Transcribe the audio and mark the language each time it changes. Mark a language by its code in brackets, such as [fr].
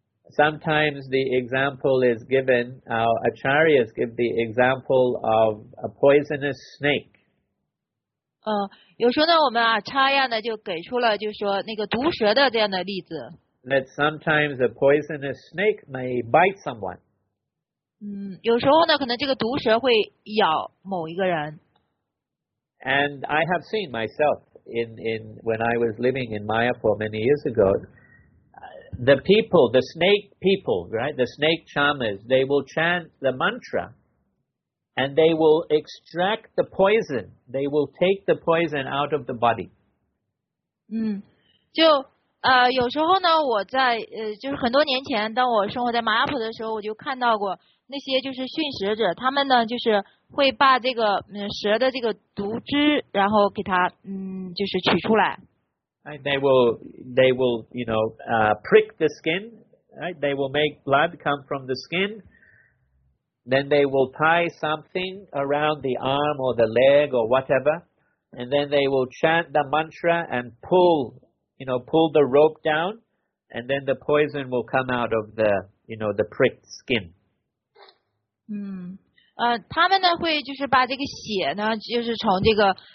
[en] Sometimes the example is given, our acharyas give the example of a poisonous snake. [zh] 有时候呢，我们acharya呢就给出了就是说那个毒蛇的这样的例子。 [en] That sometimes a poisonous snake may bite someone. [zh] 有时候呢，可能这个毒蛇会咬某一个人。 [en] And I have seen myself in when I was living in Mayapur many years ago. The people, the snake people, right? The snake charmers, they will chant the mantra and they will extract the poison. They will take the poison out of the body. [zh] 有时候呢，我在就是很多年前，当我生活在马亚普的时候，我就看到过那些就是驯蛇者，他们呢就是会把这个蛇的这个毒汁，然后给它就是取出来。 [en] Right, they will, you know, prick the skin. Right, they will make blood come from the skin. Then they will tie something around the arm or the leg or whatever, and then they will chant the mantra and pull the rope down, and then the poison will come out of the, you know, the pricked skin. [zh] 他们呢会就是把这个血呢，就是从这个。